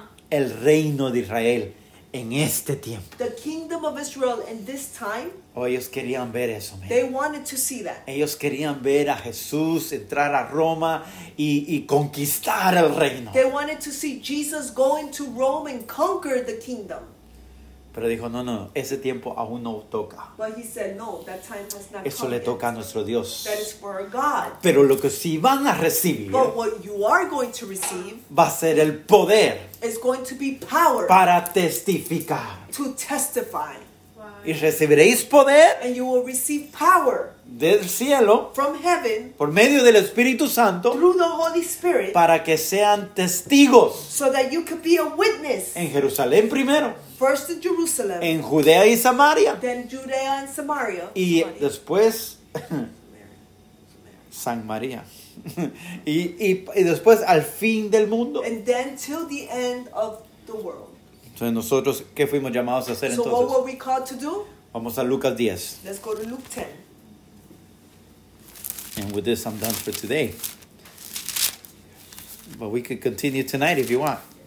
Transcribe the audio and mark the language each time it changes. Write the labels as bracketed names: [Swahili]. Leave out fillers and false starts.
[Spanish] El reino de Israel en este tiempo. [English] The kingdom of Israel in this time. [Spanish] Oh, ellos querían ver eso, man. [English] They wanted to see that. [Spanish] Ellos querían ver a Jesús entrar a Roma y conquistar el reino. [English] They wanted to see Jesus go into Rome and conquer the kingdom. [Spanish] Pero dijo, no, ese tiempo aún no toca. [English] But he said, no, that time has not [Spanish] eso le toca [English] yet. [Spanish] A nuestro Dios. [English] That is for our God. [Spanish] Pero lo que sí van a recibir. [English] But what you are going to receive. [Spanish] Va a ser el poder. [English] Is going to be power. [Spanish] Para testificar. [English] To testify. Wow. [Spanish] y recibiréis poder [English] and you will receive power [Spanish] del cielo [English] from heaven [Spanish] por medio del Espíritu Santo [English] through the Holy Spirit [Spanish] para que sean testigos [English] so that you could be a witness [Spanish] en Jerusalén primero [English] first in Jerusalem [Spanish] en Judea y Samaria [English] then Judea and Samaria [Spanish] y Samaria. Después San María y después al fin del mundo [English] and then till the end of the world. [Spanish] Entonces nosotros, ¿qué fuimos llamados a hacer [English] so [Spanish] entonces? [English] So what were we called to do? [Spanish] Vamos a Lucas 10. [English] Let's go to Luke 10. And with this, I'm done for today. But we could continue tonight if you want.